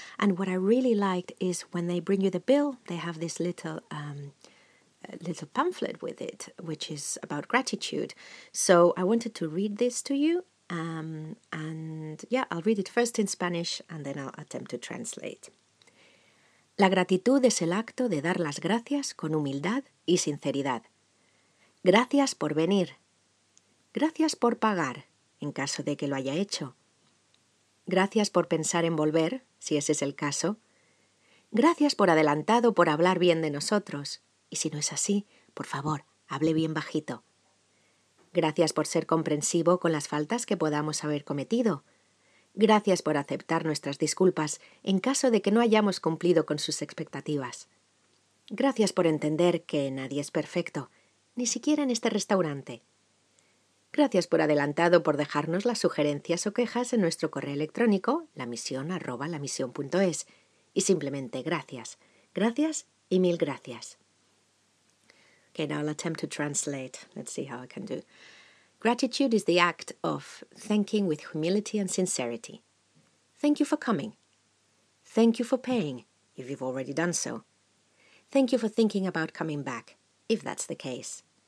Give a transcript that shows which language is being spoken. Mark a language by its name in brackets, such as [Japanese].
[English] And what I really liked is when they bring you the bill, they have this little little pamphlet with it, which is about gratitude. So I wanted to read this to you. I'll read it first in Spanish and then I'll attempt to translate. [Spanish] La gratitud es el acto de dar las gracias con humildad y sinceridad. Gracias por venir. Gracias por pagar, en caso de que lo haya hecho. Gracias por pensar en volver, si ese es el caso. Gracias por adelantado por hablar bien de nosotros. Y si no es así, por favor, hable bien bajito. Gracias por ser comprensivo con las faltas que podamos haber cometido. Gracias por aceptar nuestras disculpas en caso de que no hayamos cumplido con sus expectativas. Gracias por entender que nadie es perfecto, ni siquiera en este restaurante. Gracias por adelantado por dejarnos las sugerencias o quejas en nuestro correo electrónico lamisión@lamisión.es y simplemente gracias, gracias y mil gracias. [English] Okay, now I'll attempt to translate. Let's see how I can do. Gratitude is the act of thanking with humility and sincerity. Thank you for coming. Thank you for paying, if you've already done so. Thank you for thinking about coming back, if that's the case.